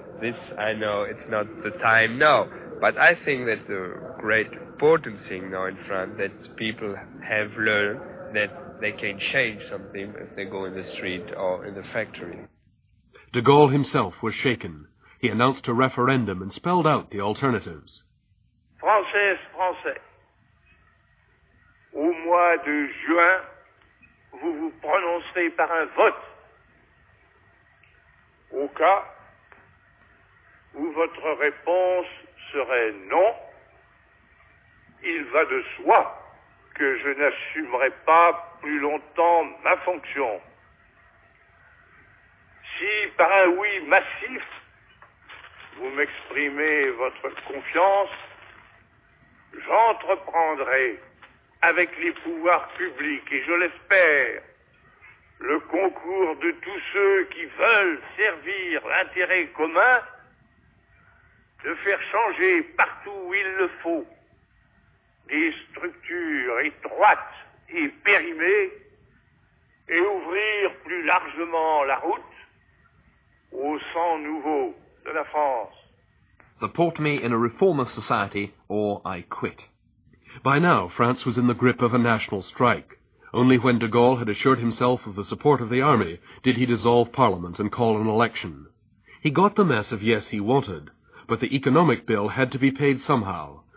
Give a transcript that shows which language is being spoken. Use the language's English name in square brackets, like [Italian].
[English] This, I know, it's not the time now. But I think that the great important thing now in France that people have learned that they can change something if they go in the street or in the factory. De Gaulle himself was shaken. He announced a referendum and spelled out the alternatives. [French] Française, Français. Au mois de juin, vous vous prononcerez par un vote. Au cas où votre réponse serait non, il va de soi que je n'assumerai pas plus longtemps ma fonction. Si par un oui massif, vous m'exprimez votre confiance, j'entreprendrai avec les pouvoirs publics, et je l'espère, le concours de tous ceux qui veulent servir l'intérêt commun, de faire changer partout où il le faut des structures étroites et périmées et ouvrir plus largement la route au sang nouveau de la France. [English] Support me in a reform of society or I quit. By now, France was in the grip of a national strike. Only when de Gaulle had assured himself of the support of the army did he dissolve Parliament and call an election. He got the mass of yes he wanted, but the economic bill had to be paid somehow.